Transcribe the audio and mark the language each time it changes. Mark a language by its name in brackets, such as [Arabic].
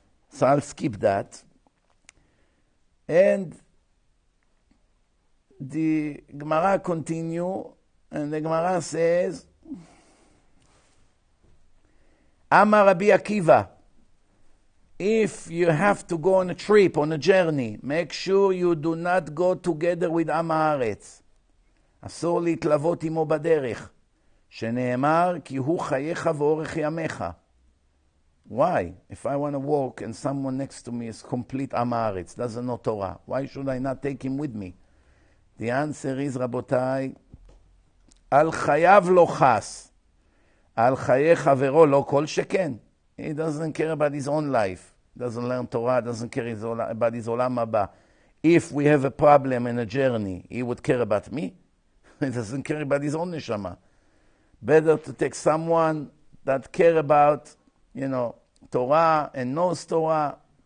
[English] So I'll skip that. And the Gemara continue, and the Gemara says, Amar Rabbi Akiva, if you have to go on a trip, on a journey, make sure you do not go together with Am Haaretz. [Hebrew] אסור להתלוות עמו בדרך, שנאמר כי הוא חייך ואורך ימיך. [English] Why? If I want to walk and someone next to me is complete Am Haaretz, that's not Torah. Why should I not take him with me? The answer is, [Hebrew] רבותיי, על חייו לא חס. על חיי חברו לא כל שכן. [English] He doesn't care about his own life. He doesn't learn Torah, doesn't care about his עולם הבא. If we have a problem in a journey, he would care about me. He doesn't care about his own neshama. Better to take someone that care about, you know, Torah and knows Torah.